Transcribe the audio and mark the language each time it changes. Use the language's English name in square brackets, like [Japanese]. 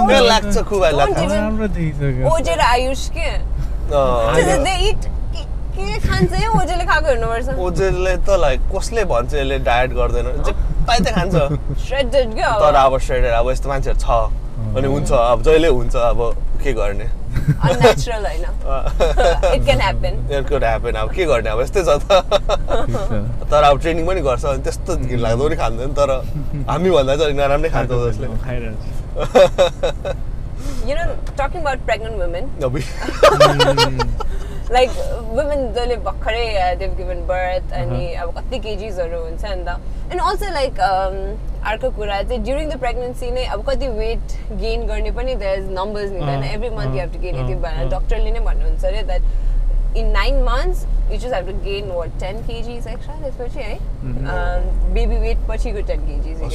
[Nepali] लाग्छ खुबै लाग्छ कसले भन्छ यसले डायट गर्दैन खान्छ तर अब श्रेडेड अब यस्तो मान्छेहरू छ अनि हुन्छ अब जहिले हुन्छ अब के गर्ने के गर्ने अब यस्तै छ त तर अब ट्रेनिङ पनि गर्छ अनि त्यस्तो घिन लाग्दो पनि खाँदैन तर हामी भन्दा चाहिँ अलिक नराम्रै खान्छ जसले [English] You know, talking about pregnant women, like women [Nepali] jale bakhare, [English] they've given birth and [Nepali] kati kgs haru huncha [English] and also like [Nepali] अर्को कुरा चाहिँ [English] during the pregnancy [Nepali] नै अब कति वेट गेन गर्ने पनि [English] there is numbers [Nepali] हुँदैन [English] every month you have to gain it [Nepali] भनेर डक्टरले नै भन्नुहुन्छ अरे that [English] in 9 months you just have to gain what 10 kgs extra [Nepali] त्यसपछि है बेबी वेट पछिको 10 kgs